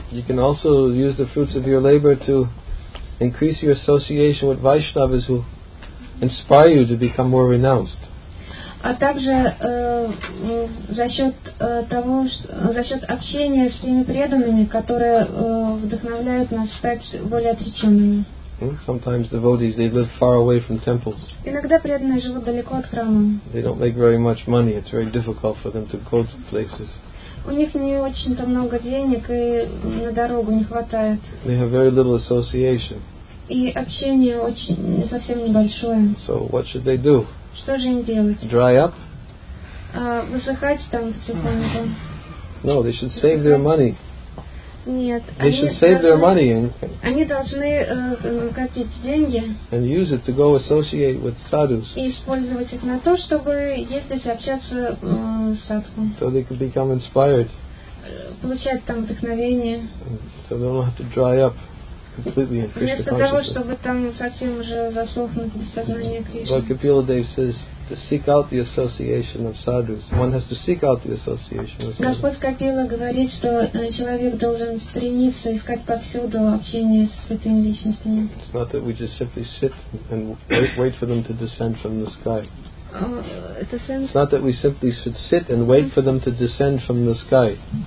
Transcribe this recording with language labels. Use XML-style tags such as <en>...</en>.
<en>You can also use the fruits of your labor to increase your association with Vaishnavas who inspire you to become more renounced.</en> <ru>А также за счет общения с теми преданными, которые вдохновляют нас стать более отреченными.</ru> <en>Sometimes devotees, they live far away from temples.</en> <ru>Иногда преданные живут далеко от храма.</ru> <en>They don't make very much money. It's very difficult for them to go to places.</en> <ru>У них не очень-то много денег, и на дорогу не хватает.</ru> <en>They have very little association.</en> <ru>И общение совсем небольшое.</ru> <en>So what should they do?</en> <ru>Что же им делать?</ru> <en>Dry up?</en> <ru>Высыхать там потихоньку.</ru> <en>No, they should save their money.</en> <ru>Нет.</ru> <en>They should save their money.</en> <ru>Они должны копить деньги.</ru> <en>And use it to go associate with sadhus.</en> <ru>И использовать их на то, чтобы ездить общаться с садху.</ru> <en>So they could become inspired.</en> <ru>Получать там вдохновение.</ru> <en>So they don't have to dry up. completely in Krishna consciousness. But Kapila Dev says to seek out the association of sadhus. One has to seek out the association of sadhus.</en> <ru>Господь Капила говорит, что человек должен стремиться искать повсюду общение с святыми личностями.</ru> <en>It's not that we just simply sit and wait for them to descend from the sky. It's not that we simply should sit and wait for them to descend from the sky.</en>